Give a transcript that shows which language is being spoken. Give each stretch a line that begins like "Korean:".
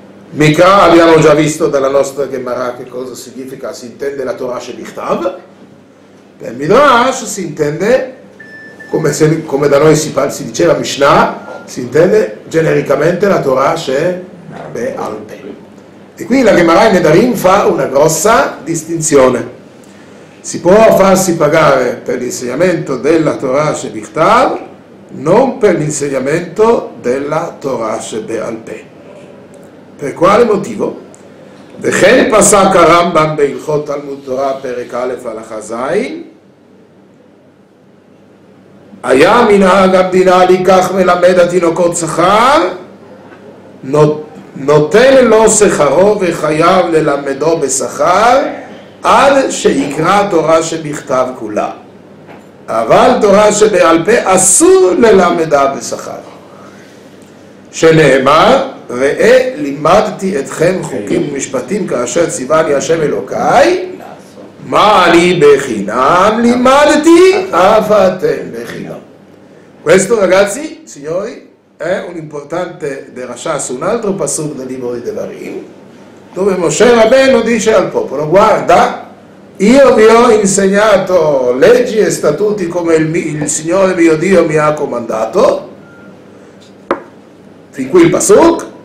Italian: Mikra abbiamo già visto dalla nostra Gemara che cosa significa, si intende la Torah Shebichtav, per Midrash si intende, come da noi si diceva Mishnah, si intende genericamente la Torah Shebichtav. Alpe. E qui la Gemara in Nedarim fa una grossa distinzione. Si può farsi pagare per l'insegnamento della Torah Shebichtav, non per l'insegnamento della Torah Shebealpe. Per quale motivo?
Hebrew: וכן פסק הרמב״ם בהלכות תלמוד תורה פרק א' הלכה ז', היה מנהג המדינה לקח מלמד התינוקות שכר, נותן לו שכרו וחייב ללמדו בשכר עד שיקרא תורה שבכתב כולה, אבל תורה שבעל פה אסור ללמדה בשכר, שנאמר ראה לימדתי אתכם חוקים ומשפטים כאשר ציווה לי השם אלוקיי, מה אני בחינם לימדתי אף אתם בחינם.
Italian: Questo ragazzi, signori, è un importante derashas, un altro pasuk del libro di Devarim, dove Moshe Rabbeinu dice al popolo: guarda, io vi ho insegnato leggi e statuti come il Signore mio Dio mi ha comandato. Fin qui il pasuk.